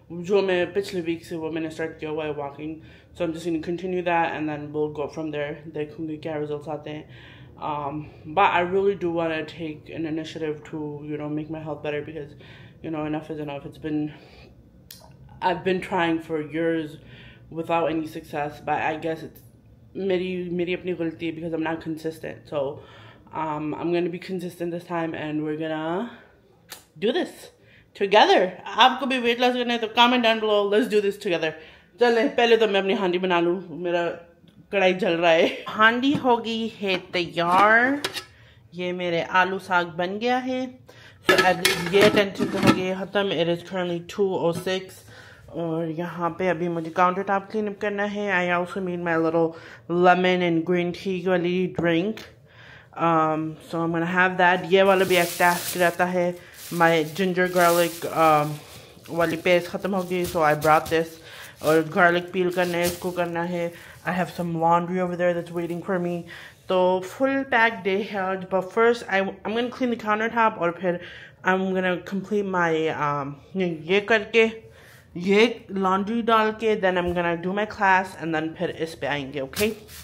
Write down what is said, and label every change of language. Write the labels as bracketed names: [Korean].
[Hindi] jo main pichle week se wo maine start kiya hua hai [English] walking so I'm just going to continue that and then we'll go from there [Hindi] dekhungi kya results aate hain [English] but I really do want to take an initiative to you know make my health better because you know enough is enough I've been trying for years without any success but I guess it's [Hindi] meri apni galti hai [English] because I'm not consistent so I'm going to be consistent this time and we're going to do this together. [Hindi] आपको भी weight loss करना है तो [English] comment down below. Let's do this together. [Hindi] चलें पहले तो मैं अपनी हांडी बना लूँ. मेरा कढ़ाई जल रहा है. हांडी हो गई है तैयार. ये मेरे आलू साग बन गया है. So ये टेंशन तो हो गई है खत्म. [English] It is currently 2:06. [Hindi] और यहाँ पे अभी मुझे काउंटर टॉप क्लीन अप करना है. [English] I also made my little lemon and green tea वाली drink. So I'm gonna have that. [Hindi] ये वाला भी एक टास्क रहता है. [English] My ginger garlic [Hindi] वाली पेस्ट खत्म हो गई, [English] so I brought this. [Hindi] और garlic peel करना है, इसको करना है. [English] I have some laundry over there that's waiting for me. तो full pack day है आज. But first I'm gonna clean the countertop और फिर I'm gonna complete my [Hindi] ये करके ये laundry डाल के [English] then I'm gonna do my class and then [Hindi] फिर इस पे आएंगे, [English] okay?